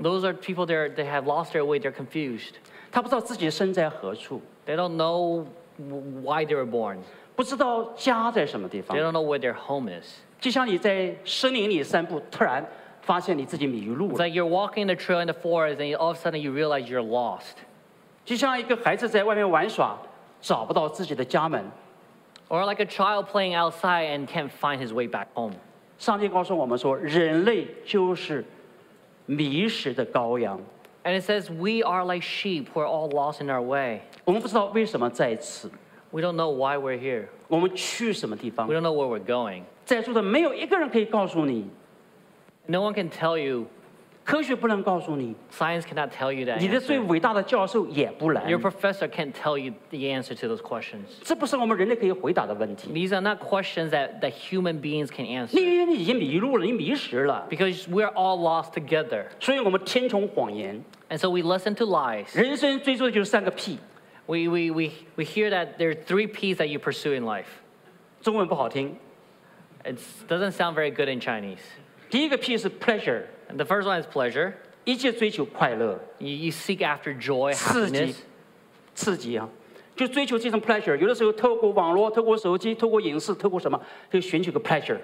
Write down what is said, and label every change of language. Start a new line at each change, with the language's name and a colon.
English: Those are people that they have lost their way. They're confused.
Chinese: 他不知道自己身在何处。
English: They don't know why they were born.
Chinese: 不知道家在什么地方。
English: They don't know where their home is.
Chinese: 就像你在森林里散步，突然发现你自己迷路了。
English: It's like you're walking the trail in the forest, and all of a sudden you realize you're lost.
Chinese: 就像一个孩子在外面玩耍，找不到自己的家门。
English: Or like a child playing outside and can't find his way back home.
Chinese: 上帝告诉我们说，人类就是迷失的羔羊。
English: And it says we are like sheep who are all lost in our way.
Chinese: 我们不知道为什么在此。
English: We don't know why we're here.
Chinese: 我们去什么地方。
English: We don't know where we're going.
Chinese: 在座的没有一个人可以告诉你。
English: No one can tell you.
Chinese: 科学不能告诉你。
English: Science cannot tell you that.
Chinese: 你的最伟大的教授也不能。
English: Your professor can't tell you the answer to those questions.
Chinese: 这不是我们人类可以回答的问题。
English: These are not questions that human beings can answer.
Chinese: 你以为你已经迷路了，你迷失了。
English: Because we're all lost together.
Chinese: 所以我们听从谎言。
English: And so we listen to lies.
Chinese: 人生追逐的就是三个屁。
English: We hear that there are three P's that you pursue in life.
Chinese: 中文不好听。
English: It doesn't sound very good in Chinese.
Chinese: 第一个 P 是 pleasure.
English: And the first one is pleasure.
Chinese: 一切追求快乐。
English: You seek after joy, happiness.
Chinese: 刺激啊，就追求这种 pleasure. 有的时候透过网络，透过手机，透过影视，透过什么，就寻求个 pleasure.